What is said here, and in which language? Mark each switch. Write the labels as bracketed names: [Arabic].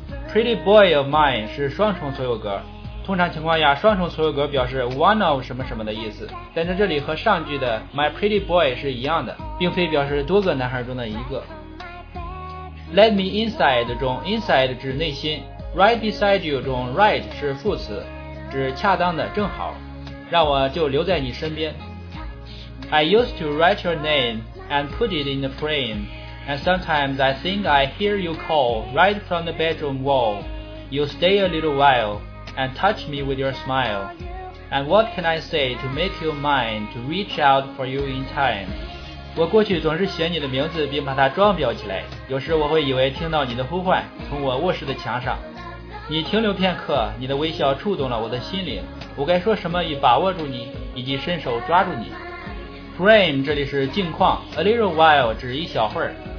[English] Pretty boy of mine [Chinese] 是双重所有格，通常情况下双重所有格表示 one of 什么什么的意思，但在这里和上句的 [English] my pretty boy [Chinese] 是一样的，并非表示多个男孩中的一个。 [English] Let me inside [Chinese] 中 inside 指内心， [English] right beside you [Chinese] 中 right 是副词，指恰当的，正好，让我就留在你身边。 [English] I used to write your name and put it in the frame and sometimes I think I hear you call right from the bedroom wall. You stay a little while and touch me with your smile and what can I say to make you mine to reach out for you in time? [Chinese] 我过去总是写你的名字并把它装裱起来，有时我会以为听到你的呼唤从我卧室的墙上。你停留片刻，你的微笑触动了我的心灵，我该说什么以把握住你，以及伸手抓住你。 Frame 这里是镜框， [English] A little while [Chinese] 指一小会儿。